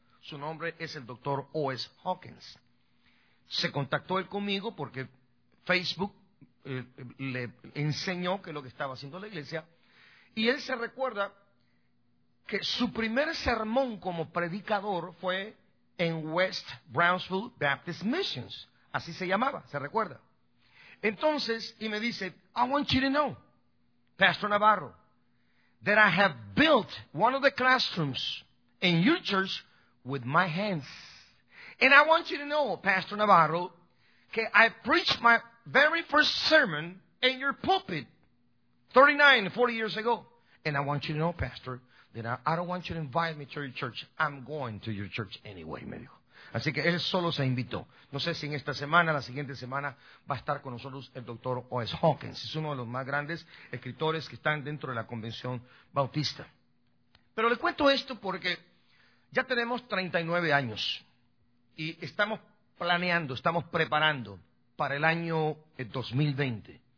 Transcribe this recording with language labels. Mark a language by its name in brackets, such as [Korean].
[Spanish] Su nombre es el doctor O.S. Hawkins. Se contactó él conmigo porque Facebook le enseñó que lo que estaba haciendo la iglesia, y él se recuerda que su primer sermón como predicador fue en West Brownsville Baptist Missions, así se llamaba, se recuerda. Entonces, y me dice, [English] I want you to know, Pastor Navarro, that I have built one of the classrooms in your church with my hands. And I want you to know, Pastor Navarro, que I preached my very first sermon in your pulpit 40 years ago. And I want you to know, Pastor, that I don't want you to invite me to your church. I'm going to your church anyway, [Spanish] me dijo. Así que él solo se invitó. No sé si en esta semana, la siguiente semana, va a estar con nosotros el doctor O.S. Hawkins. Es uno de los más grandes escritores que están dentro de la Convención Bautista. Pero le cuento esto porque ya tenemos 39 años y estamos planeando, estamos preparando para el año 2020.